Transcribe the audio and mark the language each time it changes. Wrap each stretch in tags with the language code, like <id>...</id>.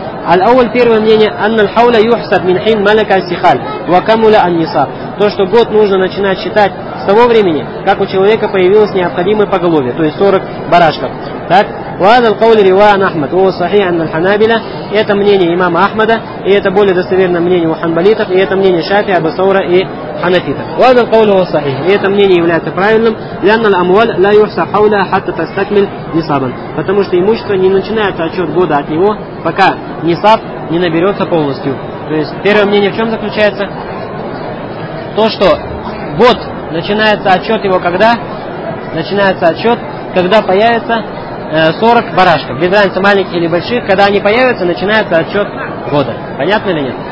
<ar>Аль-Ауль,</ar> <ru>первое мнение,</ru> <ar>«Анна л-хауля юхсаб мин хин малака сихаль, вакамуля ан нисаб».</ar> <ru>То, что год нужно начинать считать с того времени, как у человека появилось необходимое поголовье, то есть 40 барашков. Так,</ru> <ar>وهذا القول رواه أحمد وهو صحيح عن الحنابلة.</ar> <ru>Это мнение имама Ахмада, и это более достоверное мнение у ханбалитов, и это мнение Шафии, Абу Саура и ханафитов.</ru> <ar>وهذا القول هو صحيح.</ar> <ru>И это мнение является правильным,</ru> <ar>لأن الأموال لا يحسب حولها حتى تستكمل نصابا.</ar> <ru>Потому что имущество не начинается отчет года от него, пока нисаб не наберется полностью. То есть первое мнение в чем заключается? То, что год начинается отчет его когда? Начинается отчет, когда появится 40 барашков. Без разницы, маленьких или больших, когда они появятся, начинается отчет года. Понятно или нет?</ru>